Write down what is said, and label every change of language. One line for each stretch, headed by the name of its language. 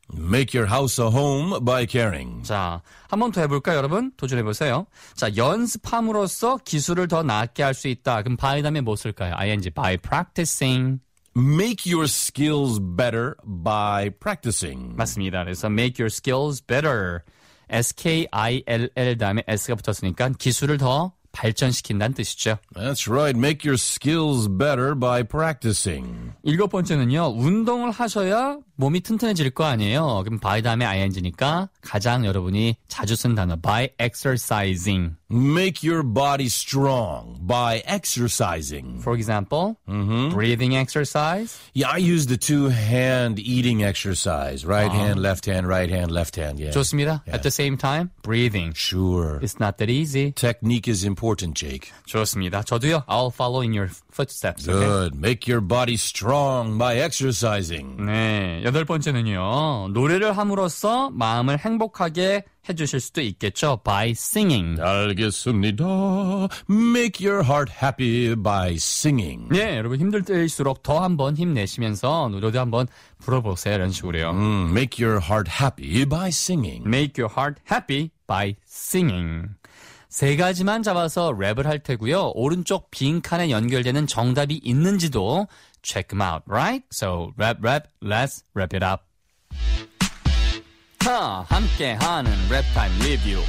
English: Make your house a home by caring.
Korean: 자, 한 번 더 해볼까요, 여러분? 도전해 보세요. 자, 연습함으로써 기술을 더 나게 할 수 있다. 그럼 by 다음에 뭐 쓸까요?
English: ing by practicing. Make your skills better by practicing.
Korean: 맞습니다.
English: 그래서 make your skills better.
Korean: S K I L L 다음에 S가 붙었으니까 기술을 더 발전시킨다는 뜻이죠.
English: That's right. Make your skills better by practicing.
Korean: 일곱 번째는요. 운동을 하셔야 몸이 튼튼해질 거 아니에요. 그럼 by 다음에 ing니까 가장 여러분이 자주 쓴 단어.
English: By exercising. Make your body strong by exercising. For example, breathing exercise. Yeah, I use the two-hand eating exercise. Right hand, left hand, right hand, left hand. Yeah.
Korean: 좋습니다.
English: Yeah. At the same time, breathing. Sure. It's not that easy. Technique is important, Jake.
Korean: 좋습니다. 저도요.
English: I'll follow in your footsteps. Good. Okay? Make your body strong by exercising.
Korean: 네. 여덟 번째는요. 노래를 함으로써 마음을 행복하게 해주실 수도 있겠죠.
English: By singing.
Korean: 알겠습니다.
English: Make your heart happy by singing.
Korean: 네, 여러분 힘들 때일수록 더 한번 힘내시면서 노래도 한번 불러보세요. 이런 식으로요.
English: Make your heart happy by singing. Make your heart happy by singing.
Korean: 세 가지만 잡아서 랩을 할 테고요. 오른쪽 빈칸에 연결되는 정답이 있는지도 check them out, right?
English: So, rap, rap, let's wrap it up.
Korean: 자, 함께하는 랩타임 리뷰.